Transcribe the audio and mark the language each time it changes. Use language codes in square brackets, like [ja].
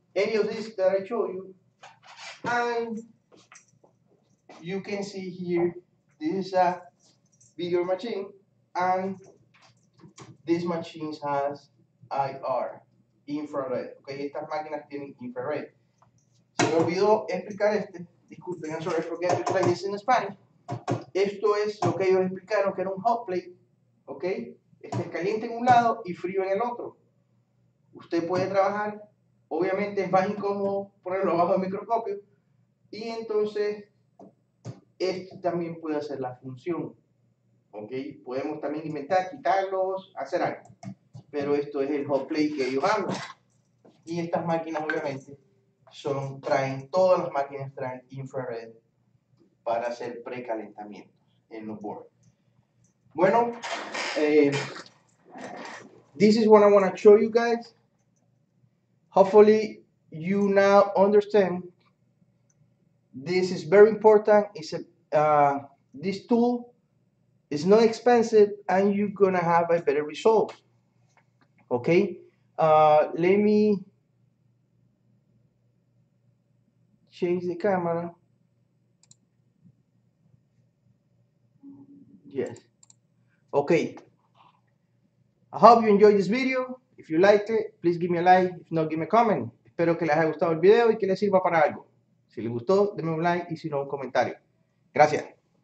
[en] Any of these that I show you. And you can see here, this is a video machine and this machine has IR, infrared. [es] Okay, estas máquinas tienen infrared. Se me olvidó explicar este. Disculpen, [en] I'm sorry, forget to try this in Spanish. [es] Esto es lo que ellos explicaron, que era un hot plate. Okay, este es caliente en un lado y frío en el otro. Usted puede trabajar. Obviamente es más incómodo ponerlo bajo el microscopio. Y entonces, esto también puede hacer la función. Ok, podemos también inventar, quitarlos, hacer algo. Pero esto es el hot plate que ellos hablan. Y estas máquinas, obviamente, son, traen, todas las máquinas traen infrared para hacer precalentamiento en los boards. [en] Bueno, this is what I want to show you guys. Hopefully, you now understand. This is very important. It's a, this tool. It's not expensive, and you're gonna have a better result. Okay, let me change the camera. Yes. Okay. I hope you enjoyed this video. If you liked it, please give me a like. If not, give me a comment. [es] Espero que les haya gustado el video y que les sirva para algo. Si les gustó, denme un like y si no, un comentario. Gracias.